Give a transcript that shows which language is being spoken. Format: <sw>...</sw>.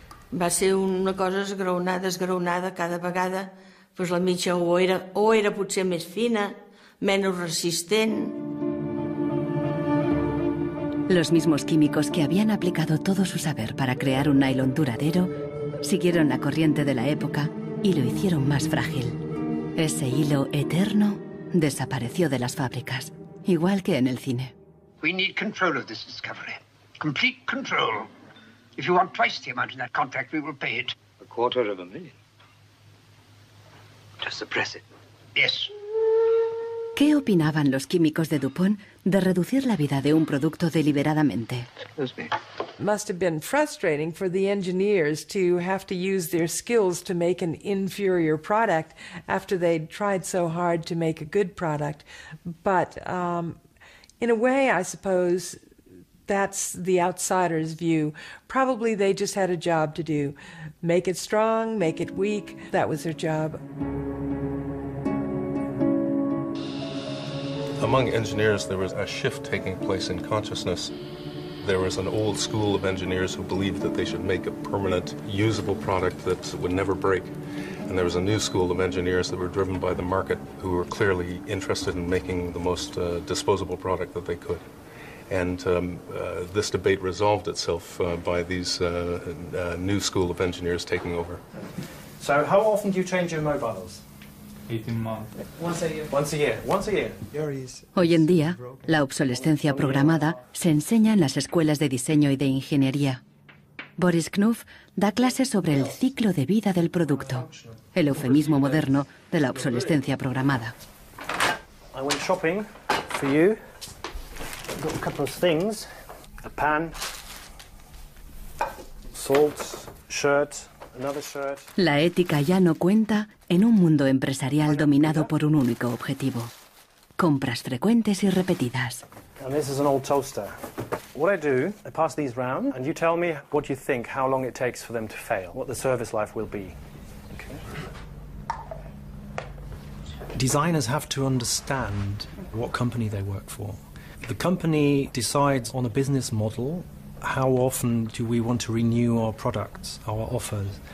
<ca>Va ser una cosa esgraonada, esgraonada, cada vegada, pues la mitja o era potser més fina, menys resistent.</ca> <es>Los mismos químicos que habían aplicado todo su saber para crear un nylon duradero siguieron la corriente de la época y lo hicieron más frágil. Ese hilo eterno desapareció de las fábricas, igual que en el cine.</es> <en>We need control of this discovery. Complete control. If you want twice the amount in that contract, we will pay it. A quarter of a million. To suppress it. Yes.</en> <es>¿Qué opinaban los químicos de DuPont de reducir la vida de un producto deliberadamente?</es> <en>Must have been frustrating for the engineers to have to use their skills to make an inferior product after they'd tried so hard to make a good product. But in a way, I suppose that's the outsider's view. Probably they just had a job to do. Make it strong, make it weak. That was their job. Among engineers, there was a shift taking place in consciousness. There was an old school of engineers who believed that they should make a permanent, usable product that would never break. And there was a new school of engineers that were driven by the market, who were clearly interested in making the most disposable product that they could. And this debate resolved itself by these new school of engineers taking over. So how often do you change your mobiles? 18 months.</en> <es>Hoy en día, la obsolescencia programada se enseña en las escuelas de diseño y de ingeniería. Boris Knuff da clases sobre el ciclo de vida del producto, el eufemismo moderno de la obsolescencia programada.</es> <en>I went shopping for you. Got a couple of things: a pan, salt, shirt.</en> <es>La ética ya no cuenta en un mundo empresarial dominado por un único objetivo: compras frecuentes y repetidas.</es> <en>And this is an old toaster. What I do, I pass these round, and you tell me what you think, how long it takes for them to fail, what the service life will be. Okay. Designers have to understand what company they work for. The company decides on a business model. How often do we want to renew our products, our offers?</en>